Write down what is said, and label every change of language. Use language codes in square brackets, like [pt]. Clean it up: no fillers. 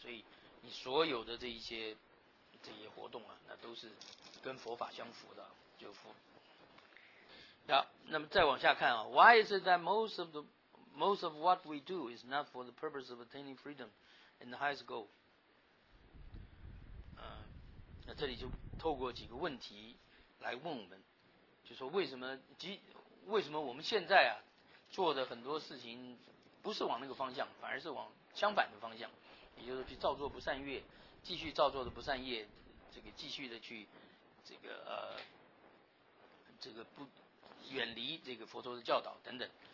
[zh] 所以你所有的这些活动啊，那都是跟佛法相符的，就符。 [en] Now, [zh] 那么再往下看啊 [en] ，Why is it that most of what we do is not for the purpose of attaining freedom and the highest goal? [zh] 那这里就透过几个问题来问我们，就说为什么我们现在啊？做的很多事情不是往那个方向，反而是往相反的方向，也就是去造作不善业，继续造作的不善业，这个继续的去这个不远离这个佛陀的教导等等。